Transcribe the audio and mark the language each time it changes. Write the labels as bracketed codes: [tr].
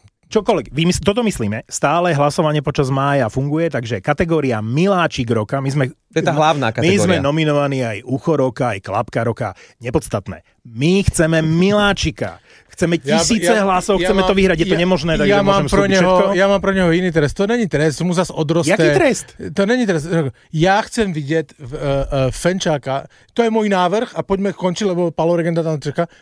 [sk] Čokoľvek, toto myslíme, stále hlasovanie počas mája funguje, takže kategória Miláčik roka, my sme... To je tá hlavná kategória. My sme nominovaní aj Ucho roka, aj Klapka roka, nepodstatné. My chceme Miláčika. Chceme tisíce hlasov, chceme to vyhrať, je to nemožné, takže môžem slúbiť všetko. [cs] Ja mám pro neho iný trest, to není trest, mu zas odroste. Jaký trest? To není trest. [sk] Ja chcem vidieť Fenčáka, to je môj návrh a poďme končiť, lebo Paolo Regenda tam čaká.